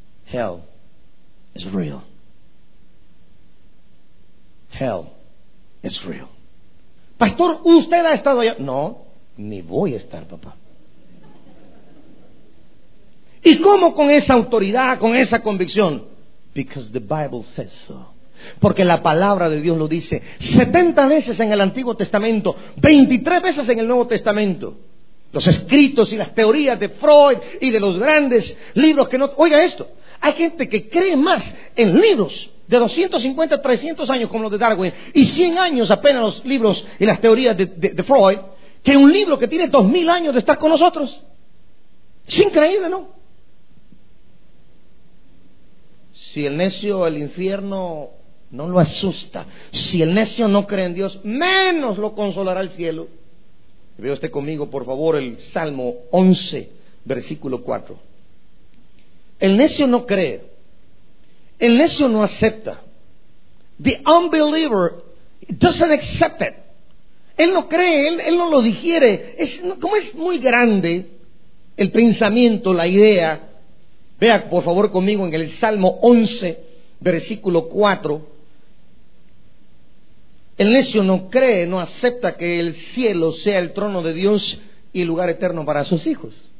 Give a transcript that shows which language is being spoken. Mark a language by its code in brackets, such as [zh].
[en] Hell is real. Hell is real. [es] Pastor, ¿usted ha estado allá? No, ni voy a estar, papá. ¿Y cómo con esa autoridad, con esa convicción? [en] Because the Bible says so. [es] Porque la palabra de Dios lo dice 70 veces en el Antiguo Testamento, 23 veces en el Nuevo Testamento. Los escritos y las teorías de Freud y de los grandes libros que no... Oiga esto. Hay gente que cree más en libros de 250, 300 años como los de Darwin y 100 años apenas los libros y las teorías de Freud, que un libro que tiene 2000 años de estar con nosotros. Es increíble, ¿no? Si el necio, el infierno no lo asusta, si el necio no cree en Dios, menos lo consolará el cielo. Vea usted conmigo, por favor, el Salmo 11, versículo 4. El necio no cree, el necio no acepta. [en] The unbeliever doesn't accept it. [es] Él no cree, él no lo digiere. Como es muy grande el pensamiento, la idea. Vea por favor conmigo en el Salmo 11, versículo 4. El necio no cree, no acepta que el cielo sea el trono de Dios y el lugar eterno para sus hijos.